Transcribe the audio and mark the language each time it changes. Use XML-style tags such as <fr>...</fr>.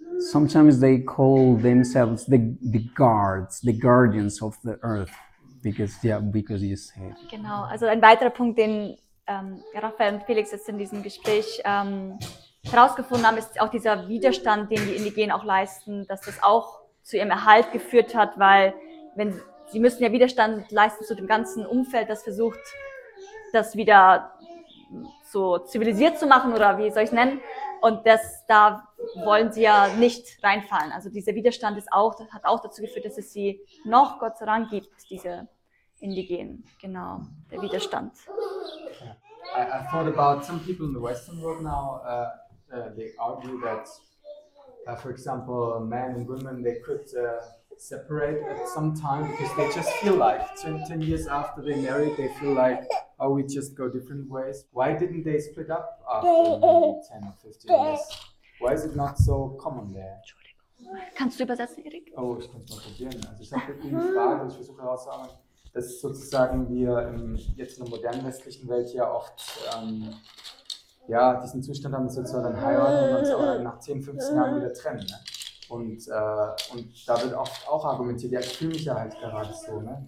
<en>Sometimes they call themselves the guards, the guardians of the earth, because you say.</en> <de>Genau. Also ein weiterer Punkt, den Raphael und Felix jetzt in diesem Gespräch herausgefunden haben, ist auch dieser Widerstand, den die Indigenen auch leisten, dass das auch zu ihrem Erhalt geführt hat, weil wenn sie müssen ja Widerstand leisten zu dem ganzen Umfeld, das versucht, das wieder so zivilisiert zu machen oder wie soll ich es nennen, und das, da wollen sie ja nicht reinfallen. Also dieser Widerstand ist auch, das hat auch dazu geführt, dass es sie noch Gott sei Dank gibt, diese Indigenen, genau, der Widerstand.</de> <en>I thought about some people in the Western world now, they argue that, for example, men and women, they could separate at some time because they just feel like 10 years after they married, they feel like, oh, we just go different ways. Why didn't they split up after 10 or 15 years? Why is it not so common there?</en> <de>Kannst du übersetzen, Erik? Oh, ich kann es mal probieren. Also ich habe eine Frage, ich versuche herauszuarbeiten, dass sozusagen wir jetzt in der modernen westlichen Welt ja oft ja, diesen Zustand haben, dass wir zwar dann heiraten und uns auch nach 10, 15 Jahren wieder trennen. Ne? Und da wird oft auch argumentiert, ja, ich fühle mich ja halt gerade so. Ne?</de>